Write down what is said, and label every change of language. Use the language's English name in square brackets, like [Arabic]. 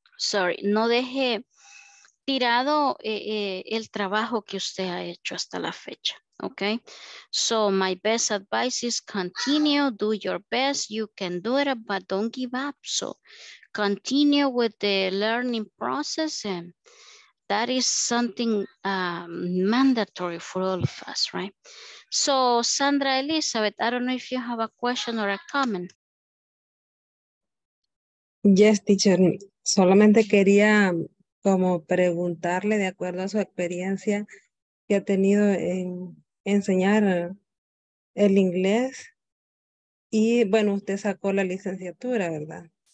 [Spanish] Sorry, no deje tirado el trabajo que usted ha hecho hasta la fecha. [English] Okay, so my best advice is continue, do your best, you can do it, but don't give up. So continue with the learning process, and that is something mandatory for all of us, right? So Sandra Elizabeth, I don't know if you have a question or a comment. Yes, teacher. [Spanish] Solamente quería como preguntarle, de acuerdo a su experiencia que ha tenido en enseñar el inglés, y bueno, usted sacó la licenciatura, ¿verdad?